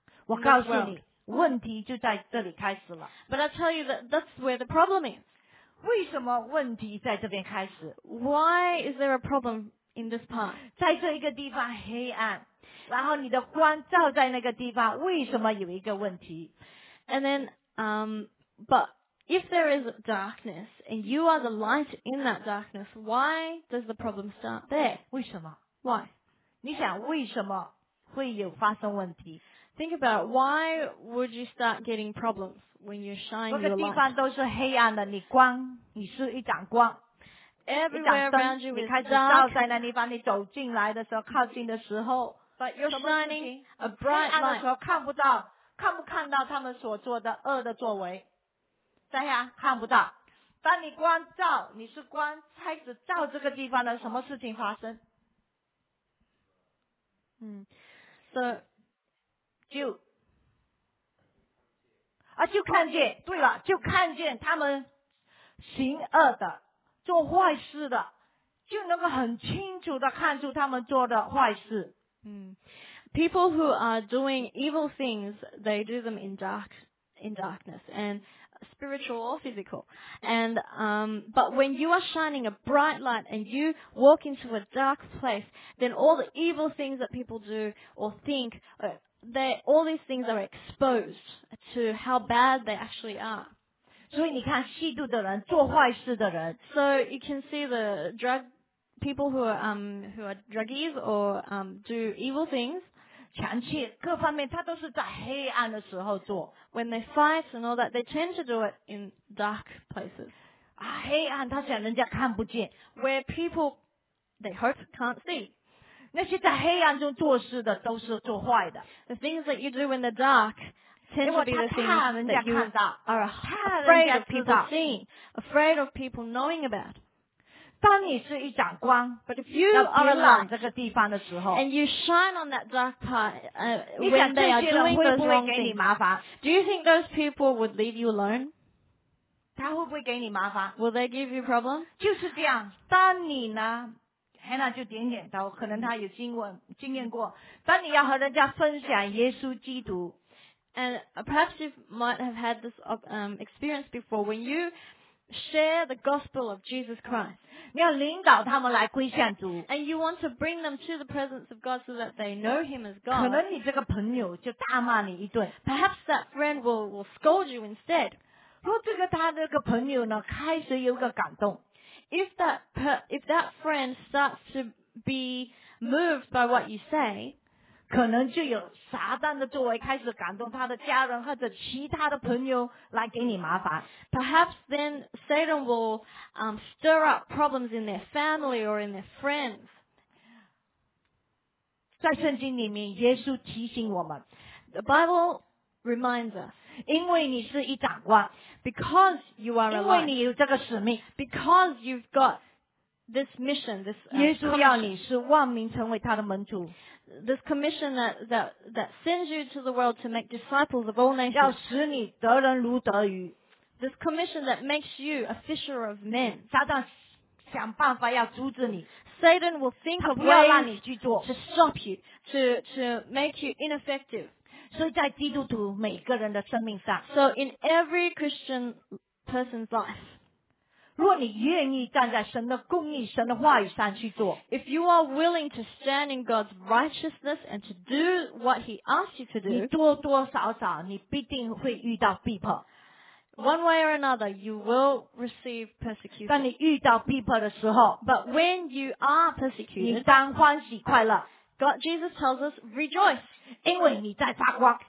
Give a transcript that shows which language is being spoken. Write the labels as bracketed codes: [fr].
[zh] 我告诉你，问题就在这里开始了。 [en] But I tell you that that's where the problem is. [zh] 为什么问题在这边开始 [en] ？Why is there a problem in this part? [zh] 在这一个地方黑暗，然后你的光照在那个地方，为什么有一个问题 [en] ？And then, but. If there is darkness and you are the light in that darkness, why does the problem start there? [zh] 为什么 [en] ？Why? [zh] 你想为什么会有发生问题 [en] ？Think about why would you start getting problems when you shine your light? [zh] 那个地方都是黑暗的，你光，你是一盏光。 [en] Everywhere around you is dark. [zh] 你开始照在那地方，你走进来的时候，靠近的时候， [en] but you're shining a bright light. [zh] 黑暗的时候看不到，看不看到他们所做的恶的作为？在呀，看不到。当你光照，你是光，开始照这个地方的，什么事情发生？ [en] So, [zh] 就看见，对了，就看见他们行恶的，做坏事的，就能够很清楚的看出他们做的坏事。 [en] People who are doing evil things, they do them in darkness, and spiritual or physical. And, but when you are shining a bright light and you walk into a dark place, then all the evil things that people do or think, all these things are exposed to how bad they actually are. [zh] 所以你看吸毒的人，做坏事的人。 [en] So you can see the drug people who are druggies or, do evil things. [zh] 强气各方面，他都是在黑暗的时候做。 [en] When they fight and all that, they tend to do it in dark places. [zh] 啊，黑暗，他想人家看不见。 [en] Where people they hope can't see. [zh] 那些在黑暗中做事的都是做坏的。 [en] The things that you do in the dark tend to be the things that you are afraid of people seeing, afraid of people knowing about. [zh] 当你是一盏光 [en] but if you are a light, [zh] 这个地方的时候 [en] and you shine on that dark part, when they are doing those wrong things, do you think those people would leave you alone? [zh] 他会不会给你麻烦? [en] Will they give you problems? [zh] 就是这样，当你呢 Hannah 就点点头，可能他有经验过，当你要和人家分享耶稣基督 [en] and perhaps you might have had this experience before, when youShare the gospel of Jesus Christ. [zh] 你要领导他们来归向主。 [en] And you want to bring them to the presence of God so that they know Him as God. [zh] 可能你这个朋友就大骂你一顿。 [en] Perhaps that friend will scold you instead. [zh] 如果这个他那个朋友呢，开始有个感动。 [en] If that friend starts to be moved by what you say, [zh] 可能就有撒旦的作为开始感动他的家人或者其他的朋友来给你麻烦。 [en] Perhaps then Satan will, stir up problems in their family or in their friends. [zh] 在圣经里面耶稣提醒我们。 [en] The Bible reminds us. [zh] 因为你是一盏光。 [en] Because you are a light. [zh] 因为你有这个使命。 [en] Because you've got this mission, this, [zh] 耶稣要你是万民成为他的门徒。 [en] This commission that sends you to the world to make disciples of all nations. [zh] 要使你得人如得鱼。 [en] This commission that makes you a fisher of men. [zh] 撒旦想办法要阻止你。 [en] Satan will think of ways to stop you, to make you ineffective. [zh] 所以在基督徒每个人的生命上。 [en] So in every Christian person's life, [zh] 如果你愿意站在神的公义、神的话语上去做 [en] ，If you are willing to stand in God's righteousness and to do what He asks you to do， [zh] 你多多少少你必定会遇到逼迫。 [en] One way or another, you will receive persecution。 [zh] 当你遇到逼迫的时候 [en] ，But when you are persecuted， [zh] 你当欢喜快乐。 [en] God, Jesus tells us, rejoice. [zh] 因为你在发光。